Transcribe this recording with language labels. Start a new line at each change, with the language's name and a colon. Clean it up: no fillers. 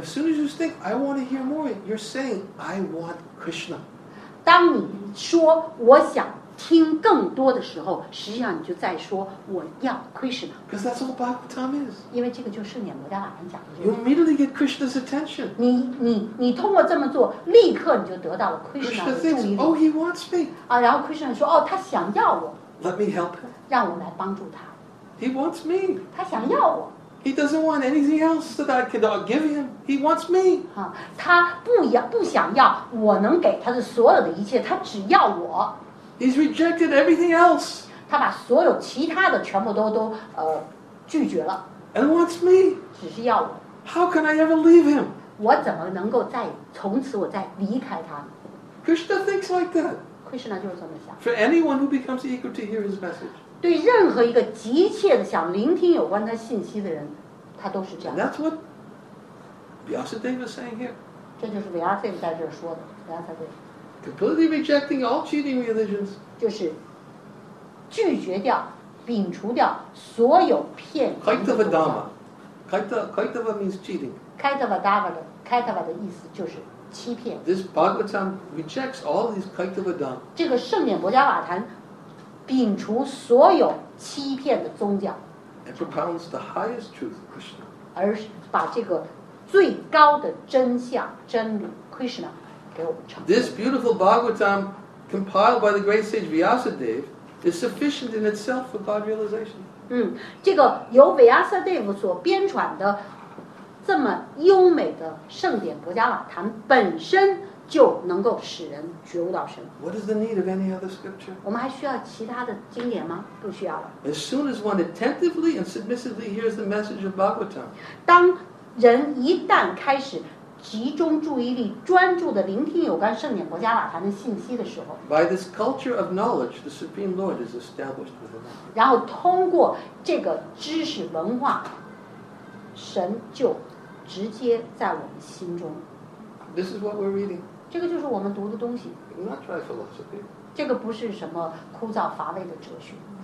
English: As soon as you think I want to hear more, you're saying I want Krishna.
Chinese: 当你说我想听更多的时候，实际上你就在说我要 Krishna.
English: Because that's all Bhagavatam is.
Chinese: 因为这个就是圣典摩迦瓦坛讲的。
English: You immediately get Krishna's attention.
Chinese: 你通过这么做，立刻你就得到了 Krishna 的注意力。
English: Krishna thinks, oh, he wants me.
Chinese: 啊，然后 Krishna 说，哦，他想要我。
English: Let me help him.
Chinese: 让我来帮助他。
English: He wants me.
Chinese: 他想要我。
English: He doesn't want anything else that I cannot give him. He wants me.
Chinese: 他不想要我能给他的所有的一切，他只要我。
English: He's rejected everything else.
Chinese: 他把所有其他的全部都拒绝了。
English: And wants me.
Chinese: 只是要我。
English: How can I ever leave him?
Chinese: 我怎么能够再从此我再离开他呢？
English: Krishna thinks like that. For anyone who becomes eager to hear his message,
Chinese: 对任何一个急切的想聆听有关他信息的人，他都是这样。
English: That's what Vyasadeva is saying here.
Chinese: 这就是 Vyasadeva 在这儿说的 ，Vyasadeva.
English: Completely rejecting all cheating religions.
Chinese: 就是拒绝掉、摒除掉所有骗人的宗教。
English: Kaitava Dharma, Kaitava means cheating.
Chinese: Kaitava Dharma 的 Kaitava 的意思就是。欺骗。
English: This Bhagavatam rejects all these Kaitava Dham.
Chinese: 这个圣典摩迦瓦坛，摒除所有欺骗的宗教。
English: It propounds the highest truth, Krishna.
Chinese: 而把这个最高的真相真理 Krishna 给我们唱。
English: This beautiful Bhagavatam, compiled by the great sage Vyasadeva, is sufficient in itself for God realization.
Chinese: 这个由 Vyasadeva 所编纂的。这么优美的圣典摩迦瓦坛本身就能够使人觉悟到神。
English: What is the need of any other scripture?
Chinese: 我们还需要其他的经典吗？不需要了。
English: As soon as one attentively and submissively hears the message of Bhagavatam,
Chinese: 当人一旦开始集中注意力，专注地聆听有关圣典摩迦瓦坛的信息的时候
English: ，By this culture of knowledge, the Supreme Lord is established within us.
Chinese: 然后通过这个知识文化。神就直接在我们心中。
English: This is what we're reading.
Chinese: 这个就是我们读的东西。
English: Not dry philosophy.
Chinese: 这个不是什么枯燥乏味的哲学。